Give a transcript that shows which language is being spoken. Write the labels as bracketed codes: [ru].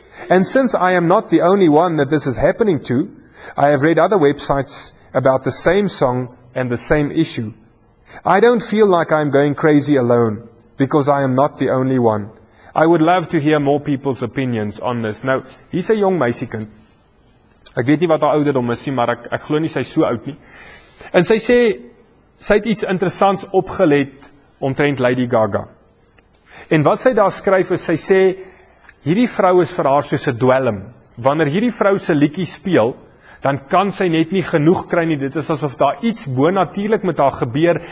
[en] And since I am not the only one that this is happening to, I have read other websites about the same song and the same issue. I don't feel like I am going crazy alone because I am not the only one. I would love to hear more people's opinions on this. [af] Nou, hier's 'n jong meisiekind. Ek weet nie wat haar ouderdom is nie, maar ek glo nie sy's so oud nie. En sy sê, sy het iets interessants opgelet omtrent Lady Gaga. En wat sy daar skryf is, sy sê, hierdie vrou is vir haar soos 'n dwelm. Wanneer hierdie vrou se liedjie speel, dan kan sy net nie genoeg kry nie. Dit is asof daar iets bonatuurlik met haar gebeur.